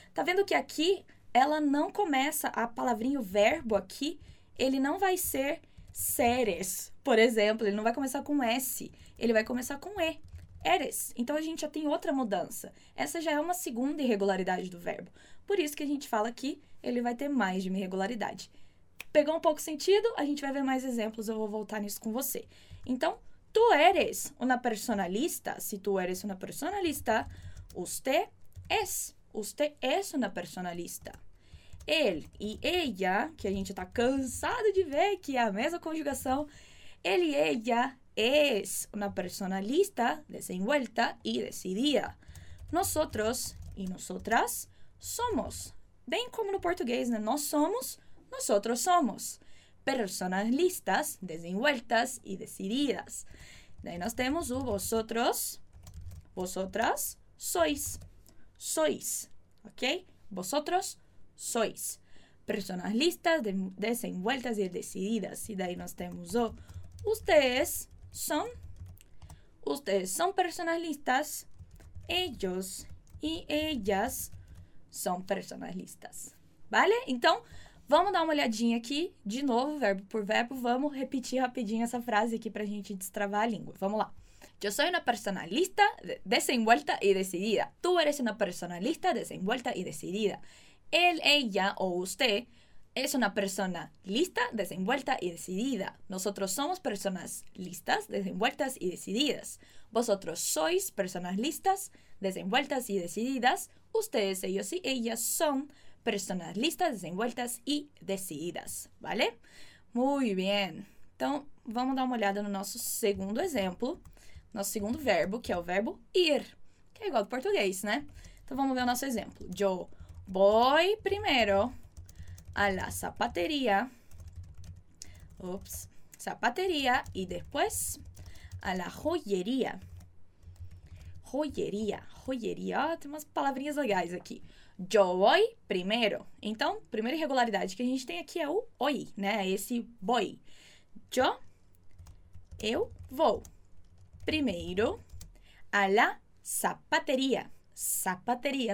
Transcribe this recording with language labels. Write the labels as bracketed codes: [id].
[pt] Tá vendo que aqui ela não começa a palavrinha, o verbo aqui, ele não vai ser seres, por exemplo, ele não vai começar com S, ele vai começar com E. [es] Eres. [pt] Então a gente já tem outra mudança. Essa já é uma segunda irregularidade do verbo. Por isso que a gente fala que ele vai ter mais de uma irregularidade. Pegou um pouco sentido? A gente vai ver mais exemplos, eu vou voltar nisso com você. Então, [es] tu eres una persona lista. Si tu eres una persona lista, usted es una persona lista. Él y ella, [pt] que a gente está cansado de ver que é a mesma conjugação, ele e ella. [es] Es una persona lista, desenvuelta y decidida. Nosotros y nosotras somos, [pt] bem como no português, né? Nós somos, [es] nosotros somos. Personas listas, desenvueltas y decididas. [pt] Daí nós temos o [es] vosotros, vosotras sois, sois, [pt] ok? [es] Vosotros sois. Personas listas, desenvueltas y decididas. [pt] E daí nós temos o ustedes. [es] Ustedes son personas listas. Ellos y ellas son personas listas. Vale? [pt] Então, vamos dar uma olhadinha aqui de novo, verbo por verbo. Vamos repetir rapidinho essa frase aqui para a gente destravar a língua. Vamos lá. [es] Yo soy una persona lista, desenvuelta y decidida. Tú eres una persona lista, desenvuelta y decidida. Él, ella o usted. Es una persona lista, desenvuelta y decidida. Nosotros somos personas listas, desenvueltas y decididas. Vosotros sois personas listas, desenvueltas y decididas. Ustedes, ellos y ellas son personas listas, desenvueltas y decididas, ¿vale? Muy bien. [pt] Então, vamos dar uma olhada no nosso segundo exemplo, nosso segundo verbo, que é o verbo ir, que é igual ao português, né? Então, vamos ver o nosso exemplo. [es] Yo voy primero a la zapatería. Ups. Zapatería y después a la joyería. Joyería, joyería. [pt] Oh, tem umas palavrinhas legais aqui. [es] Yo voy primero. [pt] Então, primeira irregularidade que a gente tem aqui é o oi, né? Esse voy. Yo, eu vou primeiro [es] a la zapatería. Zapatería.